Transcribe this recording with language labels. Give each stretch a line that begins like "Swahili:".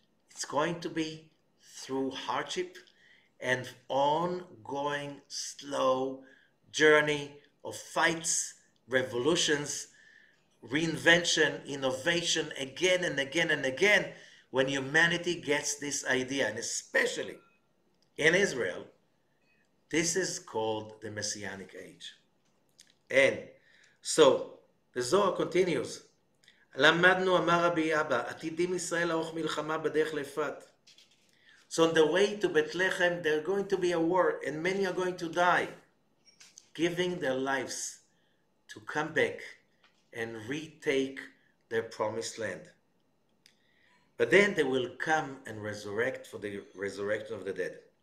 English: it's going to be through hardship and ongoing slow journey of fights, revolutions, reinvention, innovation again and again and again, when humanity gets this idea, and especially in Israel, this is called the Messianic Age. And so the Zohar continues.
Hebrew: למדנו, אמר רבי אבא, עתידים ישראל לערוך מלחמה בדרך לפת.
English: So on the way to Bethlehem, there are going to be a war, and many are going to die, giving their lives to come back and retake their promised land. But then they will come and resurrect for the resurrection of the dead.